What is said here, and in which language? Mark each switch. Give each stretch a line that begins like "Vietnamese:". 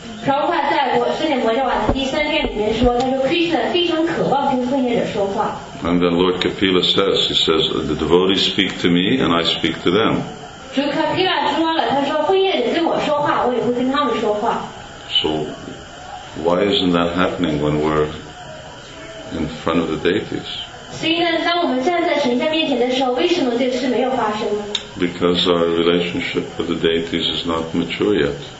Chinese: Prabhupada 在我四点摩耶瓦的第三天里面说，他说 Krishna 非常渴望跟奉献者说话。
English: And then Lord Kapila says, he says, the devotees speak to me and I speak to them.
Chinese: 主 Kapila 说了，他说奉献者跟我说话，我也会跟他们说话。
English: So, why isn't that happening when we're in front of the deities?
Chinese: 所以呢，当我们站在神像面前的时候，为什么这事没有发生呢？
English: Because our relationship with the deities is not mature yet.